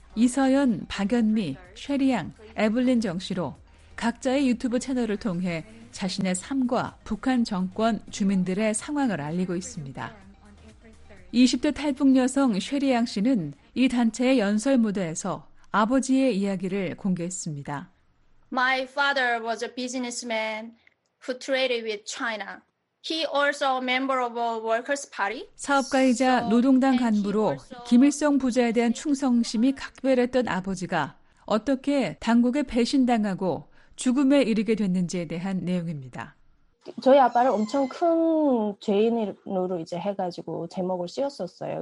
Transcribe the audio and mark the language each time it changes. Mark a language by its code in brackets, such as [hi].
[ko] 이서연, 박연미, 쉐리양, 에블린 정씨로 각자의 유튜브 채널을 통해 자신의 삶과 북한 정권 주민들의 상황을 알리고 있습니다. 20대 탈북 여성 쉐리양 씨는 이 단체의 연설 무대에서 아버지의 이야기를 공개했습니다. [en] My father was a businessman who traded with China. He also a member of a workers' party. [ko] 사업가이자 노동당 간부로 김일성 부자에 대한 충성심이 각별했던 아버지가 어떻게 당국에 배신당하고 죽음에 이르게 됐는지에 대한 내용입니다. 저희 아빠를 엄청 큰 죄인으로 이제 해가지고 제목을 씌웠었어요.